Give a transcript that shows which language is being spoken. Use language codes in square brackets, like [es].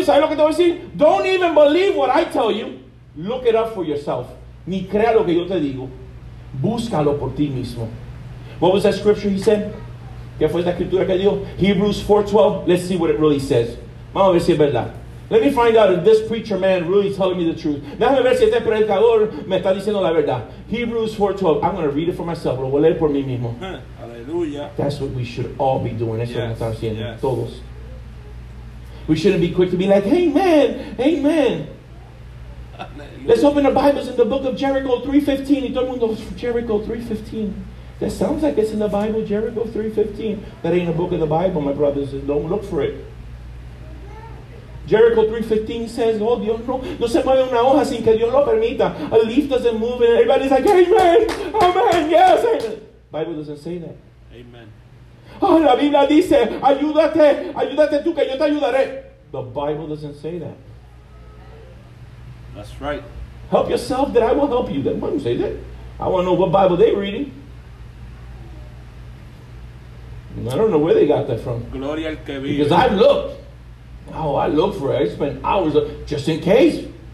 [en] ¿Sabes lo que te voy a decir? Don't even believe what I tell you. Look it up for yourself. [es] Ni crea lo que yo te digo. Búscalo por ti mismo. [en] What was that scripture he said? [es] ¿Qué fue la escritura que dio? [en] Hebrews 4:12. Let's see what it really says. [es] Vamos a ver si es verdad. [en] Let me find out if this preacher man really is telling me the truth. [es] Déjame ver si este predicador me está diciendo la verdad. [en] Hebrews 4:12. I'm going to read it for myself. [es] Lo voy a leer por mí mismo. Aleluya. [en] That's what we should all be doing. [es] Eso es lo que estamos haciendo. [en] Yes. Todos. We shouldn't be quick to be like, hey, amen, amen. Let's open our Bibles in the book of Jericho 3:15. [es] Y todo el mundo, [en] Jericho 3:15. That sounds like it's in the Bible, Jericho 3:15. That ain't a book of the Bible, my brothers. Don't look for it. Jericho 3:15 says, [es] oh, Dios, no se mueve una hoja sin que Dios lo permita. [en] A leaf doesn't move. And everybody's like, amen, amen, yes. Bible doesn't say that. Amen. [es] Oh, la Biblia dice, ayúdate, ayúdate tú que yo te ayudaré. [en] The Bible doesn't say that. That's right. Help yourself that I will help you. That doesn't say that. I want to know what Bible they're reading. I don't know where they got that from. [es] Gloria al que vive. [en] Because I've looked. Oh, I looked for it. I spent hours just in case.